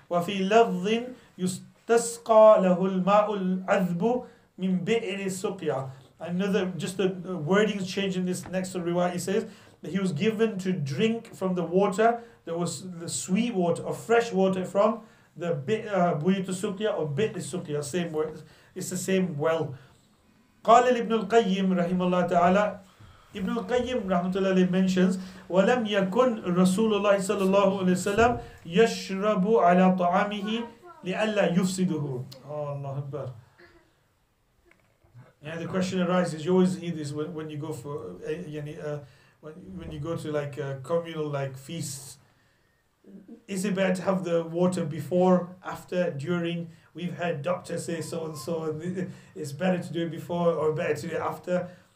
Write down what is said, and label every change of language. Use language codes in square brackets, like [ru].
[ar] وَفِي لَفْظٍ يُسْتَسْقَى لَهُ الْمَاءُ الْعَذْبُ مِنْ بِئْرِ السُّقْيَا. [en] Another, just the wording is changing this next to riwayat. He says that he was given to drink from the water, there was the sweet water or fresh water from the Buyut al-Suqya or Bayt al-Suqya, same word. It's the same well. [ar] قَالَ لِبْنُ الْقَيِّمِ رَحِمَ اللَّهُ تَعَالَى. [en] Ibn al-Qayyim rahmatullahi alayhi mentions, [ar] وَلَمْ يَكُنْ رَسُولُ اللَّهِ صَلَى اللَّهُ عَلَيْهِ وَسَلَّمْ يَشْرَبُ عَلَىٰ طَعَامِهِ لِأَلَّا يُفْسِدُهُ. [en] Oh, Allah Akbar. Yeah, the question arises, you always hear this when you go for, when you go to like communal like feasts. Is it better to have the water before, after, during? We've heard doctors say so and so, it's better to do it before or better to do it after.